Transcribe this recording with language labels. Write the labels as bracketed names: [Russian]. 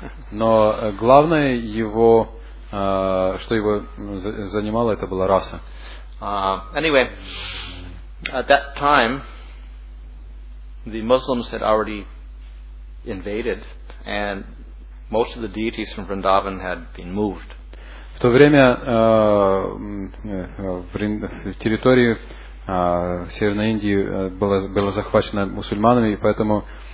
[Russian] Но главное его, что его занимало, это была раса. [English] Anyway, at that time the Muslims had already invaded and most of the deities from Vrindavan had been moved. [Russian] В то время в территории Северной Индии было захвачено мусульманами, и поэтому